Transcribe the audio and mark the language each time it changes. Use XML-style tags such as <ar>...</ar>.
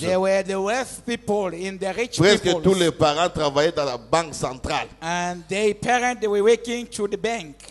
<en>They were the wealthy people in the rich</en> <fr>presque</fr> <en>peoples.</en> <fr>Tous les parents travaillaient dans la banque centrale.</fr> <en>And their parents they were working to the bank.</en>